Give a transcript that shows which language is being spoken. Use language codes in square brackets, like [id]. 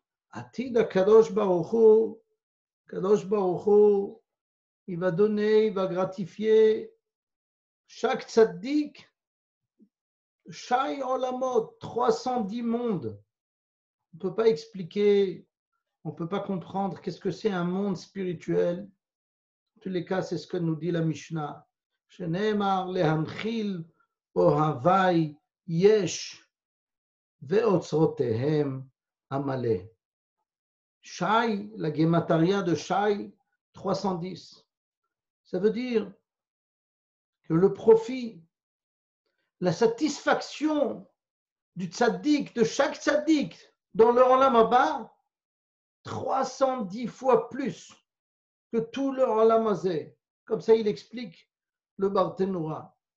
[he] Atid HaKadosh Baruch Hu, [fr] Kadosh Baruch Hu, il va donner, il va gratifier chaque tzaddik, Shai Olamot, 310 mondes. On ne peut pas expliquer, on ne peut pas comprendre qu'est-ce que c'est un monde spirituel. En tous les cas, c'est ce que nous dit la Mishnah. [he] שנאמר להנחיל אוהבי יש ואוצרותיהם המלא. [fr] שי, la gematria de שי, 310. Ça veut dire que le profit, la satisfaction du tzaddik, de chaque tzaddik dans le olam haba, 310 fois plus que tout le olam hazeh. Comme ça, il explique le Bar Tenura.